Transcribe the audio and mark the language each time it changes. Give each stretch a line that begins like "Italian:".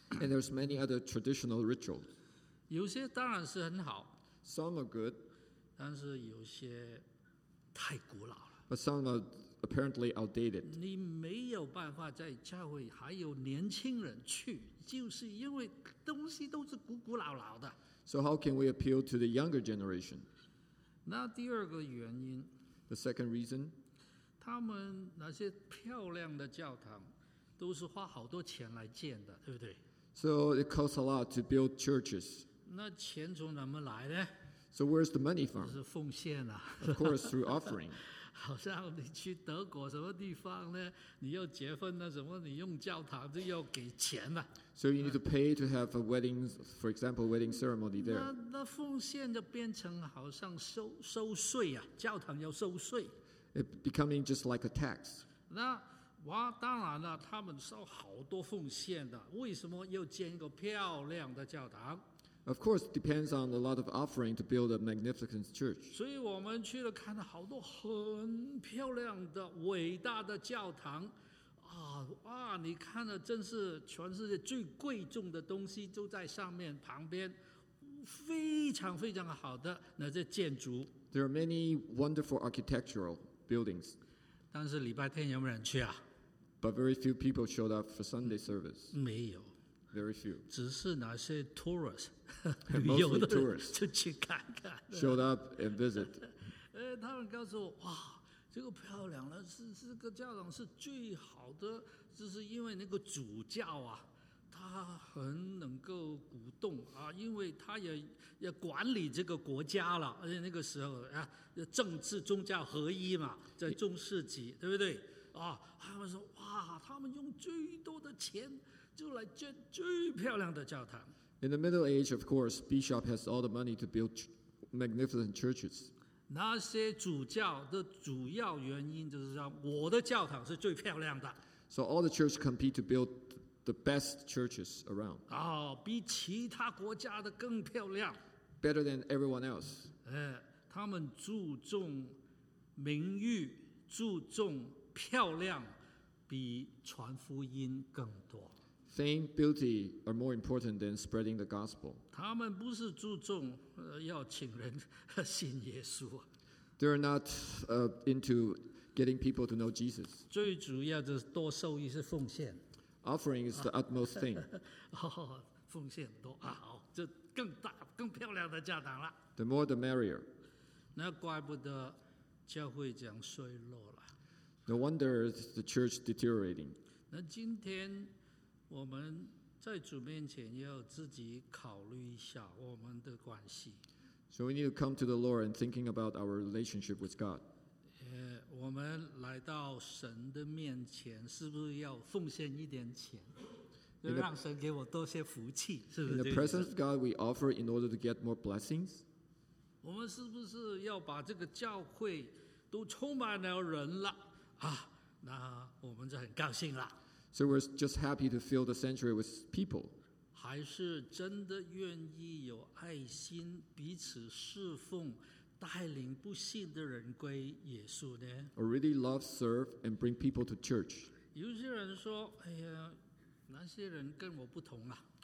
English: there's many other traditional rituals.
Chinese: 有些当然是很好,
English: some are good.
Chinese: 但是有些太古老了,
English: but some are apparently outdated.
Chinese: 你没有办法在教会还有年轻人去, 就是因为东西都是古古老老的。
English: So how can we appeal to the younger generation?
Chinese: 那第二个原因,
English: the second reason,
Chinese: 他们那些漂亮的教堂都是花好多钱来建的，对不对？
English: So it costs a lot to build churches.
Chinese: 那钱从哪么来呢？
English: So where's the money from?
Chinese: 是奉献啊。
English: Of course, through offering.
Chinese: 好像你去德国什么地方呢？你要结婚啊什么，你用教堂就要给钱啊。
English: So you need to pay to have a wedding, for example, wedding ceremony there.
Chinese: 那奉献就变成好像收税啊，教堂要收税。
English: It becoming just like a tax.
Chinese: 那哇，当然了，他们烧好多奉献的，为什么要建一个漂亮的教堂？
English: Of course, it depends on a lot of offering to build a magnificent church.
Chinese: 所以我们去了，看到好多很漂亮的、伟大的教堂，啊哇，你看了，真是全世界最贵重的东西就在上面旁边。非常非常好的那些建筑。
English: There are many wonderful architectural buildings.
Chinese: 但是礼拜天有没有人去啊？
English: But very few people showed up for Sunday service.
Chinese: 没有。
English: Very few.
Chinese: 只是那些
English: tourists,
Chinese: 旅游的
English: tourists
Chinese: 就去看看。
English: Showed up and visit.
Chinese: 他们告诉我，哇，这个漂亮了，是这个教堂是最好的，就是因为那个主教啊。他很能够鼓动啊，因为他也管理这个国家了，而且那个时候啊，政治宗教合一嘛，在中世纪，对不对？啊，他们说哇，他们用最多的钱就来建最漂亮的教堂。
English: In the Middle Age, of course, bishop has all the money to build magnificent churches.
Chinese: 那些主教的主要原因就是说，我的教堂是最漂亮的。
English: So all the churches compete to build. The best churches around.
Chinese: 哦，比其他国家的更漂亮。
English: Better than everyone else.
Chinese: 他们注重名誉，注重漂亮，比传福音更多。
English: Fame, beauty are more important than spreading the gospel.
Chinese: 他们不是注重要请人信耶稣。
English: They're not into getting people to know Jesus.
Chinese: 最主要的是多收益是奉献。
English: Offering is the utmost thing.
Chinese: 奉献多啊，好，就更大、更漂亮的教堂了。
English: The more, the merrier.
Chinese: 那怪不得教会这样衰落了。
English: No wonder the church deteriorating.
Chinese: 那今天我们在主面前要自己考虑一下我们的关系。
English: So we need to come to the Lord and thinking about our relationship with God.
Chinese: 我们来到神的面前，是不是要奉献一点钱？就让神给我多些福气，是不是？
English: In the presence of God, we offer in order to get more blessings.
Chinese: 我们是不是要把这个教会都充满了人了啊？那我们就很高兴了。
English: So we're just happy to fill the sanctuary with people.
Chinese: 还是真的愿意有爱心，彼此侍奉。带领不信的人归耶稣呢？
English: Already love, serve, and bring people to church.
Chinese: 有些人说，哎呀，那些人跟我不同啊。